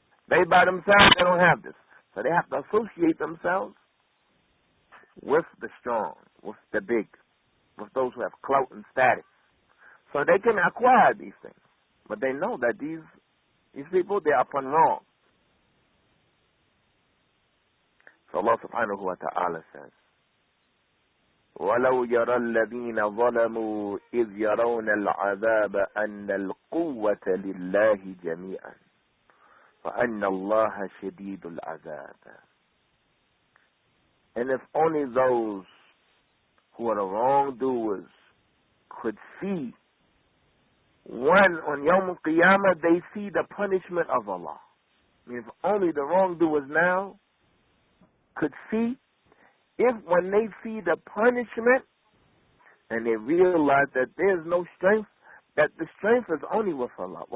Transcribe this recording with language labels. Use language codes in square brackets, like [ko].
[en] They by themselves, they don't have this. So they have to associate themselves with the strong, with the big, with those who have clout and status. So they can acquire these things. But they know that these people, they are upon wrong. So Allah subhanahu wa ta'ala says, [ar] وَلَوْ يَرَى الَّذِينَ ظَلَمُوا إِذْ يَرَوْنَ الْعَذَابَ أَنَّ الْقُوَّةَ لِلَّهِ جَمِيعًا فَأَنَّ اللَّهَ شَدِيدُ الْعَذَابَ. [en] And if only those who are the wrongdoers could see, one, on Yawm al-Qiyamah, they see the punishment of Allah. I mean, if only the wrongdoers now could see, if when they see the punishment and they realize that there's no strength, that the strength is only with Allah.